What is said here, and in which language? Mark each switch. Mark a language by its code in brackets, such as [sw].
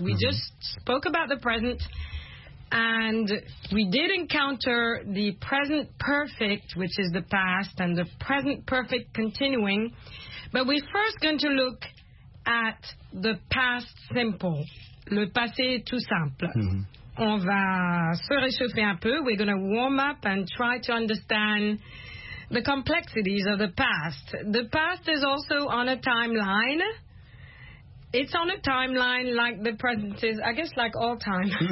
[en] We just spoke about the present. And we did encounter the present perfect, which is the past, and the present perfect continuing. But we're first going to look at the past simple, [fr] le passé tout simple. Mm-hmm. On va se réchauffer un peu. [en] We're going to warm up and try to understand the complexities of the past. The past is also on a timeline. It's on a timeline like the present is, I guess, like all time.